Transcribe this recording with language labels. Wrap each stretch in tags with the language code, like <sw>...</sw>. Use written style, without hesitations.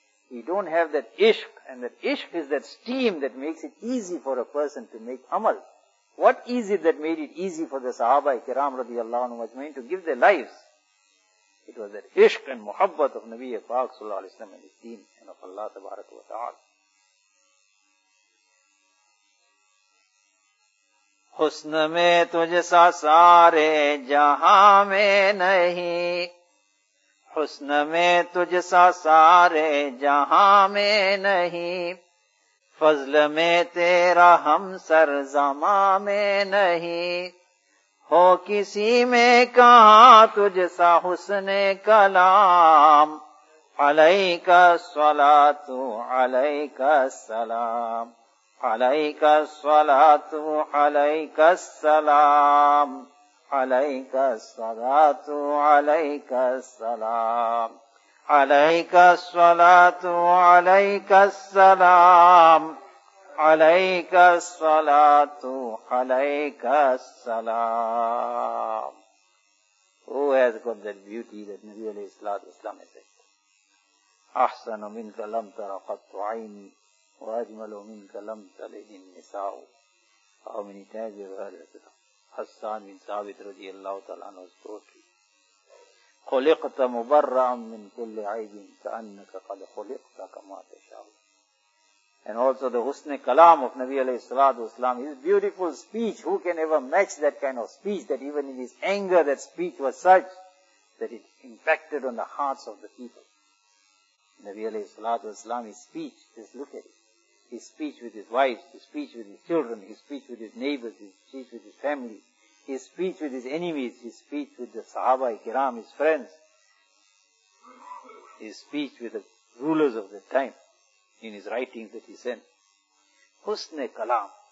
<en>You don't have that ishq, and that ishq is that steam that makes it easy for a person to make amal. What is it that made it easy for the sahaba kiram radiallahu anhu ajmain to give their lives? It was that ishq and muhabbat of Nabi Paak sallallahu alayhi wa sallam and his deen and of Allah tabaraka wa ta'ala.</en> <ur>حسن میں تجھ سا سارے جہاں میں نہیں, حسن میں تجھ سا سارے جہاں میں نہیں, فضل میں تیرا ہم سر زمان میں نہیں, ہو کسی میں کہاں تجھ سا حسن کلام,</ur> <ar>علیک الصلاۃ علیک السلام, alayka salatu alayka salam, alayka salatu alayka salam, alayka salatu alayka salam, alayka salatu alayka salam.</ar> <en>Who has got that beauty that Nabi alayhi salatu wasalam has said,</en> <ar>ahsana minka lam tara qattu ayni, وَأَجْمَلُ مِنْكَ لَمْ تَلِدِ النِّسَاءُ.</ar> <en>How many times you have heard that? Hassan bin Thabit رضي الله تعالى عنه was totally</en> <ar>خُلِقْتَ مُبَرَّعًا مِنْ كُلِّ عَيْبٍ كَأَنَّكَ قَدْ خُلِقْتَ كَمَا تَشَاءُ.</ar> <en>And also the husni kalam of Nabi alayhi salatu wasalam, his beautiful speech, who can ever match that kind of speech, that even in his anger that speech was such that it impacted on the hearts of the people. Nabi alayhi salatu wasalam, his speech, just look at it. His speech with his wife, his speech with his children, his speech with his neighbors, his speech with his family, his speech with his enemies, his speech with the sahaba kiram, his friends, his speech with the rulers of the time, in his writings that he sent. Husne kalam.</en>